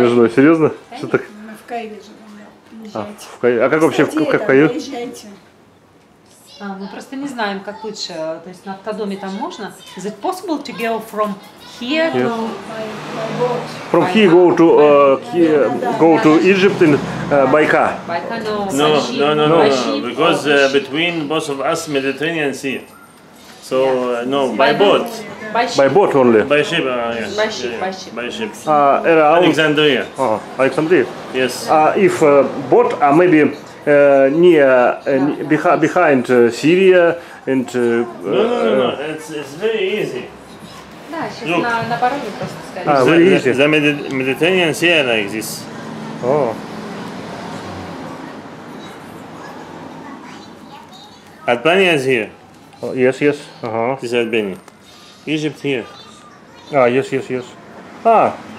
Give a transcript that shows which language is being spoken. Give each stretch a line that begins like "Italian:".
Russian: Официальной женой, серьезно? Конечно, что так? Мы в Каире живем, езжайте. А как вообще, кстати, как Каир? Езжайте. А, мы просто не знаем, как лучше, то есть на автодоме там можно?
English: Is it possible to go from here yes. to... From here go to, go to Egypt in Baika? Baika, no. No, no, no, no, because between both of us, Mediterranean Sea. So, no, by boat. By boat only? By ship, yes. By ship. Alexandria. Oh, Alexandria? Yes. If boat, maybe... behind Syria and No. It's very easy.
Russian: Да, сейчас на пароме просто сказать.
English: А, very easy. The Mediterranean Sea like this. Oh. Albania is here. Oh, yes, yes. Uh-huh. This is Albania. Egypt here. Ah, yes. Ah.